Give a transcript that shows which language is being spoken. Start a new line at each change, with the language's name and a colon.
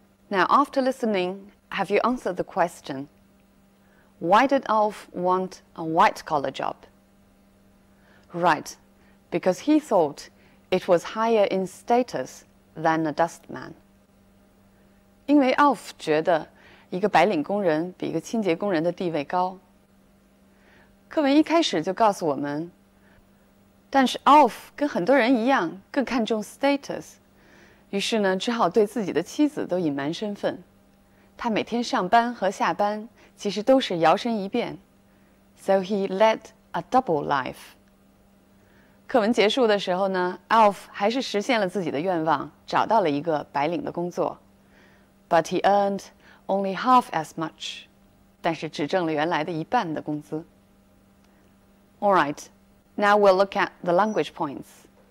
English: Now, after listening, have you answered the question? Why did Alf want a white-collar job? Right, because he thought it was higher in status than a dustman.
Chinese: 因为 Alf 觉得一个白领工人比一个清洁工人的地位高。课文一开始就告诉我们，但是 Alf 跟很多人一样更看重 status， 于是呢，只好对自己的妻子都隐瞒身份。他每天上班和下班其实都是摇身一变。
English: So he led a double life.
Chinese: 课文结束的时候呢 ，Alf 还是实现了自己的愿望，找到了一个白领的工作。
English: But he earned only half as much，
Chinese: 但是只挣了原来的一半的工资。
English: All right, now we'll look at the language points.